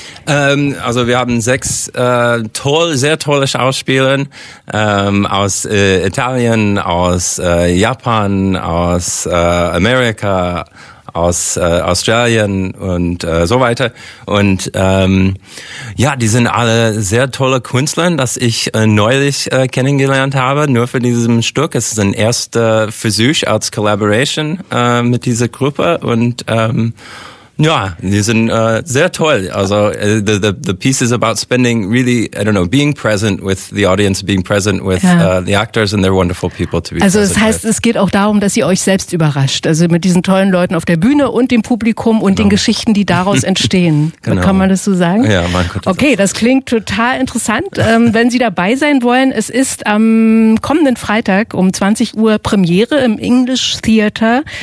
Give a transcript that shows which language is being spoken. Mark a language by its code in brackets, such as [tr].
[de] Also wir haben sechs sehr tolle Schauspieler aus Italien, aus Japan, aus Amerika, aus Australien und so weiter. Und die sind alle sehr tolle Künstler, das ich neulich kennengelernt habe, nur für dieses Stück. Es ist ein erster Versuch als Collaboration mit dieser Gruppe. Und Yeah, die sind sehr toll. [en] Also the piece is about spending really, I don't know, being present with the audience, being present with the actors, and they're wonderful people to be present. [de] Also das heißt, es geht auch darum, dass ihr euch selbst überrascht. Also mit diesen tollen Leuten auf der Bühne und dem Publikum und den Geschichten, die daraus entstehen. Genau. Kann man das so sagen? Ja, mein Gott. Okay, das klingt total interessant. Wenn Sie dabei sein wollen, es ist am kommenden Freitag um 20 Uhr Premiere im English Theater.